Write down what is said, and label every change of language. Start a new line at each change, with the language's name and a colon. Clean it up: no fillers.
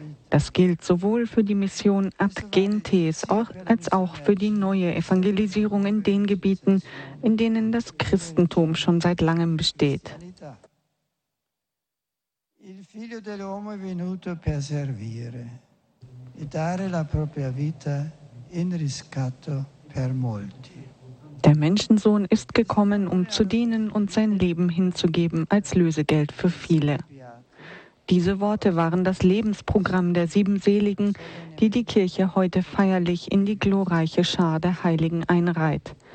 German: Das gilt sowohl für die Mission Ad Gentes als auch für die neue Evangelisierung in den Gebieten, in denen das Christentum schon seit langem besteht.
Italian: Il figlio dell'uomo è venuto per servire e dare la propria vita in riscatto per molti.
German: Der Menschensohn ist gekommen, um zu dienen und sein Leben hinzugeben als Lösegeld für viele. Diese Worte waren das Lebensprogramm der 7 Seligen, die die Kirche heute feierlich in die glorreiche Schar der Heiligen einreiht.